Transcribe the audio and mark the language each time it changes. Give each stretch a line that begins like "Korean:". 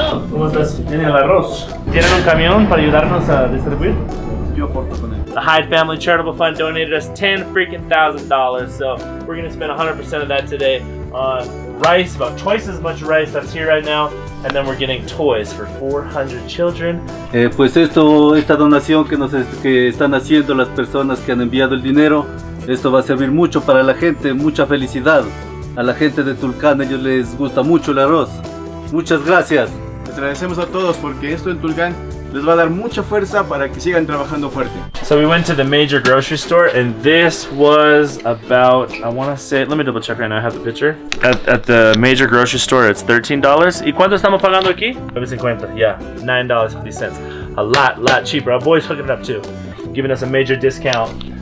Spanish: ¿Cómo estás? Tiene el arroz. ¿Tienen un camión para ayudarnos a distribuir? Yo aporto con él.
English: The Hyde Family Charitable Fund donated us $10,000. So we're gonna spend 100% of that today on rice, about twice as much rice that's here right now. And then we're getting toys for 400 children.
Spanish: Pues esto, esta donación que nos que están haciendo las personas que han enviado el dinero, esto va a servir mucho para la gente, mucha felicidad. A la gente de Tulcán, ellos les gusta mucho el arroz. Muchas gracias. Les agradecemos a todos porque esto en Tulcán les va a dar mucha fuerza para que sigan trabajando fuerte.
English: So we went to the major grocery store and this was about, I want to say, let me double check right now, I have the picture. At the major grocery store it's $13.
Spanish: ¿Y cuánto estamos pagando aquí?
English: $9.50, yeah, $9.50. A lot cheaper. Our boy's hooking it up too, giving us a major discount.